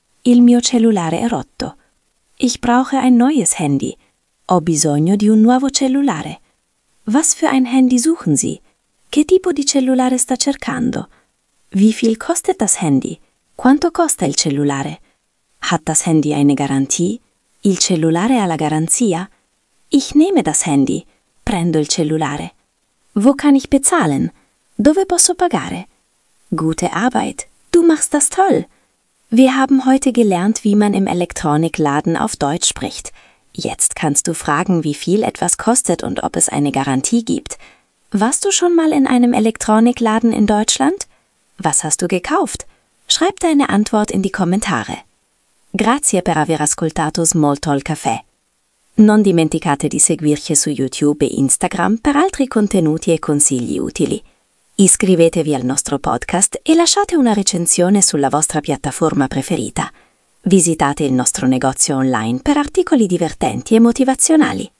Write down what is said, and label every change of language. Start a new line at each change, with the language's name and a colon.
Italian: Il mio cellulare è rotto.
German: Ich brauche ein neues Handy.
Italian: Ho bisogno di un nuovo cellulare.
German: Was für ein Handy suchen Sie?
Italian: Che tipo di cellulare sta cercando?
German: Wie viel kostet das Handy?
Italian: Quanto costa il cellulare?
German: Hat das Handy eine Garantie?
Italian: Il cellulare ha la garanzia?
German: Ich nehme das Handy.
Italian: Prendo il cellulare.
German: Wo kann ich bezahlen?
Italian: Dove posso pagare?
German: Gute Arbeit. Du machst das toll. Wir haben heute gelernt, wie man im Elektronikladen auf Deutsch spricht. Jetzt kannst du fragen, wie viel etwas kostet und ob es eine Garantie gibt. Warst du schon mal in einem Elektronikladen in Deutschland? Was hast du gekauft? Schreib deine Antwort in die Kommentare.
Italian: Grazie per aver ascoltato Small Talk Café. Non dimenticate di seguirci su YouTube e Instagram per altri contenuti e consigli utili. Iscrivetevi al nostro podcast e lasciate una recensione sulla vostra piattaforma preferita. Visitate il nostro negozio online per articoli divertenti e motivazionali.